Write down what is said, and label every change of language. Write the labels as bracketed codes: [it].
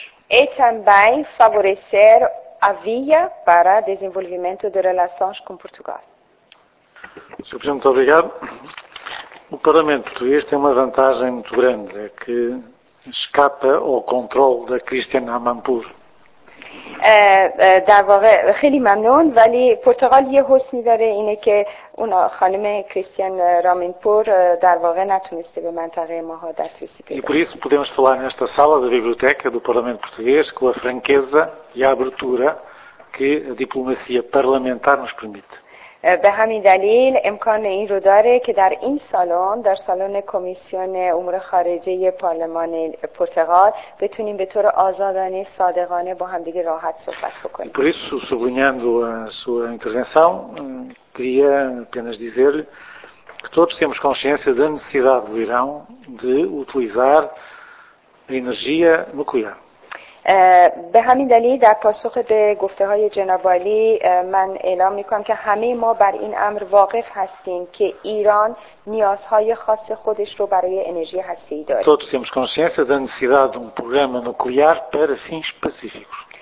[pt] E também favorecer a via para desenvolvimento de relações com Portugal. Sr. Presidente, muito obrigado. O Parlamento Português tem uma vantagem muito grande, é que escapa ao controle da Christian Amanpour. [fa] در واقع خیلی ممنون، ولی پرتغال یه حسنی داره، اینه که اون خانم کریستین رامینپور در واقع نتونسته به منطقه ما ها دسترسی پیدا کنه. [pt] Por isso podemos falar nesta sala da biblioteca do Parlamento Português com a franqueza e a abertura que a diplomacia parlamentar nos permite. [fa] به همین دلیل امکان این رو داره که در این سالن، در سالن کمیسیون امور خارجه پارلمان پرتغال، بتونیم به طور آزادانه صادقانه با هم دیگه راحت صحبت بکنیم. [pt] Por isso, sublinhando a sua intervenção, queria apenas dizer-lhe que todos temos consciência da necessidade do Irão de utilizar a energia nuclear. [fa] به همین دلیل در پاسخ به گفته های جناب عالی من اعلام میکنم که همه ما بر این امر واقف هستیم که ایران نیازهای خاص خودش رو برای انرژی هسته‌ای داره. [pt] Todos temos consciência da necessidade de um programa nuclear para fins pacíficos.